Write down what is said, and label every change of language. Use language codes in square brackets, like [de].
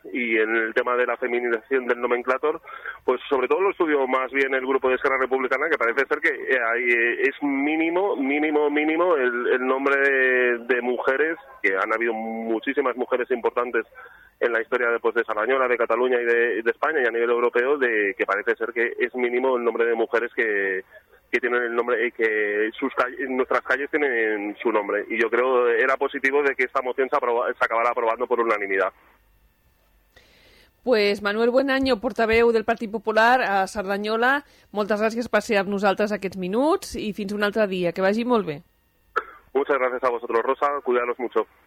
[es] Y en el tema de la feminización del nomenclátor, pues sobre todo lo estudió más bien el grupo de Esquerra Republicana, que parece ser que ahí es mínimo el nombre de mujeres, que han habido muchísimas mujeres importantes en la historia de Cerdanyola, de Cataluña y de España y a nivel europeo, de que parece ser que es mínimo el nombre de mujeres que tienen el nombre, que nuestras calles tienen su nombre. Y yo creo era positivo de que esta moción se acabara aprobando por unanimidad. [ca] Pues Manuel Buenaño, portaveu del Partit Popular a Cerdanyola, moltes gràcies per ser amb nosaltres aquests minuts i fins un altre dia. Que vagi molt bé. [es] Muchas gracias a vosotros, Rosa. Cuidaros mucho.